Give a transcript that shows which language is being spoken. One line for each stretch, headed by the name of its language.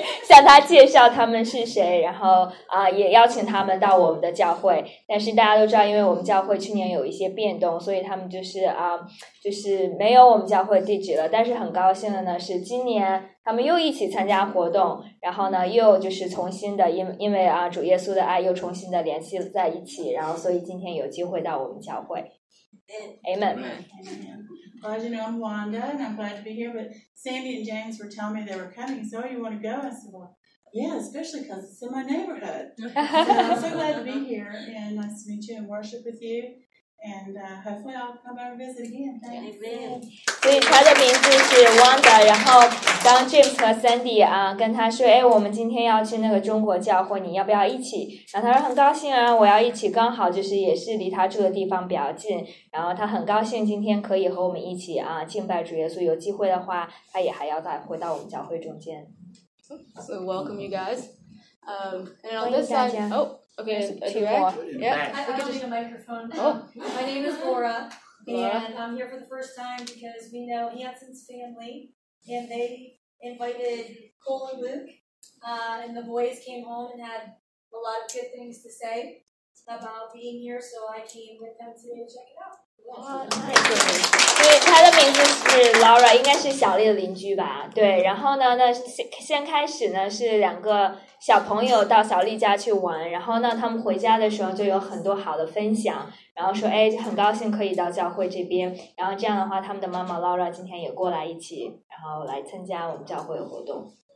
Chinese: 向她介绍他们是谁，然后也邀请他们到我们的教会，但是大家都知道因为我们教会去年有一些变动，所以他们就是没有我们教会地址了，但是很高兴的呢是今年他们又一起参加活动，然后呢又就是重新的因为主耶稣的爱又重新的联系在一起，然后所以今天有机会到我们教会。
English: Amen. Glad you know I'm Wanda and I'm glad to be here, but Sandy and James were telling me they were coming, so you want to go? I said, well, yeah, especially because it's in my neighborhood. So I'm so glad to be here and nice to meet you and worship with you. And hopefully I'll come and visit again. Amen.
Chinese: 所以他的名字是 Wanda, 然后当 James 和 Sandy 跟他说我们今天要去那个中国教会你要不要一起，然后他说很高兴啊我要一起，刚好就是也是离他住的地方比较近，然后他很高兴今天可以和我们一起敬拜主耶稣，有机会的话他也还要再回到我们教会中间。
English: So welcome you guys. And on this side, oh, okay, I don't need a microphone. My name is Laura, and I'm here for the first time because we know Hanson's family, and they invited Cole and Luke, and the boys came home and had a lot of good things to say about being here, so I came with them to check it out.
Chinese: 所以他的名字是Laura 应该是小丽的邻居吧 对然后呢那先开始呢是两个小朋友到小丽家去玩 然后呢他们回家的时候就有很多好的分享 然后说很高兴可以到教会这边 然后这样的话他们的妈妈Laura 今天也过来一起 然后来参加我们教会的活动